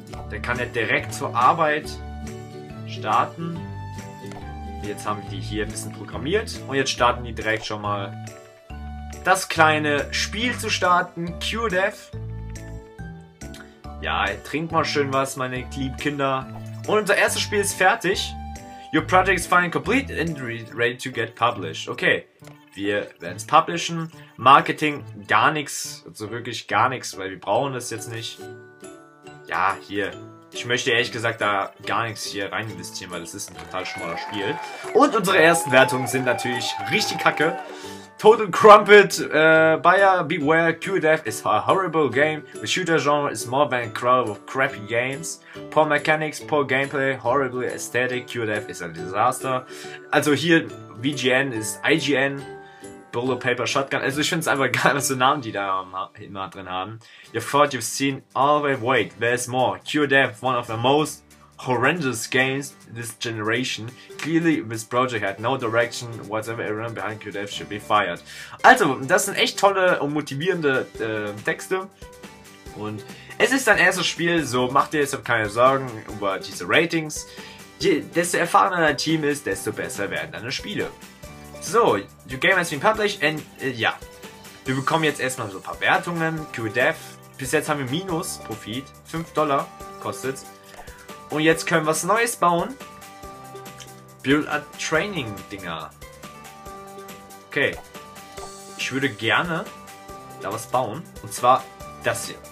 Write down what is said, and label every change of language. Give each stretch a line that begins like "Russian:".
German: Der kann ja direkt zur Arbeit starten. Jetzt haben die hier ein bisschen programmiert. Und jetzt starten die direkt schon mal das kleine Spiel zu starten. QDev. Ja, trink mal schön was, meine lieben Kinder. Und unser erstes Spiel ist fertig.
English: Your project is finally complete and ready to get published.
German: Okay, wir werden es publishen. Marketing, gar nichts. Also wirklich gar nichts, weil wir brauchen das jetzt nicht. Ja, hier. Ich möchte ehrlich gesagt da gar nichts hier rein investieren, weil das ist ein total schmaler Spiel. Und unsere ersten Wertungen sind natürlich richtig kacke.
English: Total Crumpet, Buyer Beware, QDev is a horrible game. The shooter genre is more than a crowd of crappy games. Poor mechanics, poor gameplay, horribly aesthetic, QDev is a disaster.
German: Also hier, VGN ist IGN, Bullet Paper Shotgun. Also ich finde es einfach geil, was für Namen die da immer drin haben.
English: You thought you've seen all the way, there's more. QDev, one of the most horrendous games this generation. Clearly this project had no direction. Whatever everyone behind QDev should be fired.
German: Also, das sind echt tolle und motivierende Texte. Und es ist dein erstes Spiel, so mach dir jetzt keine Sorgen über diese Ratings. Desto erfahrener dein Team ist, desto besser werden deine Spiele.
English: So, your game has been published and
German: ja. Wir bekommen jetzt erstmal so ein paar Wertungen. QDev. Bis jetzt haben wir Minus Profit. $5 kostet. Und jetzt können wir was Neues bauen. Build a Training Dinger. Okay. Ich würde gerne da was bauen. Und zwar das hier.